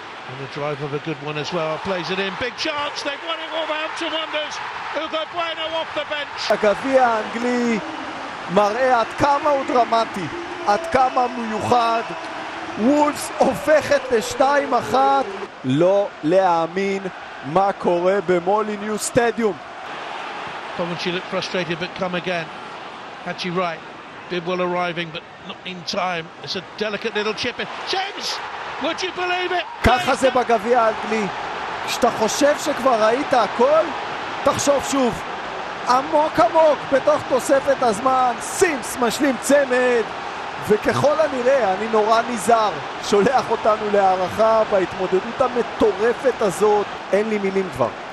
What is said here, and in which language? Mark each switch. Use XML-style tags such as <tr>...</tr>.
<en>And the drive of a good one as well. Plays it in. Big chance. They've won it all out to wonders. Hugo Bueno off the bench.</en> <he>הגביע האנגלי מראה עד כמה הוא דרמטי. עד כמה מיוחד. וולפס הופכת ל-2-1. לא להאמין מה קורה במולינו סטדיום.</he> <en>Coventry looked frustrated but come again. Hatchie right. Bidwell arriving but not in time. It's a delicate little chip in. James! Would you believe it?</en> <he>ככה זה בגביע האנגלי. כשאתה חושב שכבר ראית הכל, תחשוב שוב. עמוק עמוק בתוך תוספת הזמן, סימס משלים צמד, וככל הנראה, אני נורא ניזהר, שולח אותנו להערכה בהתמודדות המטורפת הזאת. אין לי מילים כבר.</he>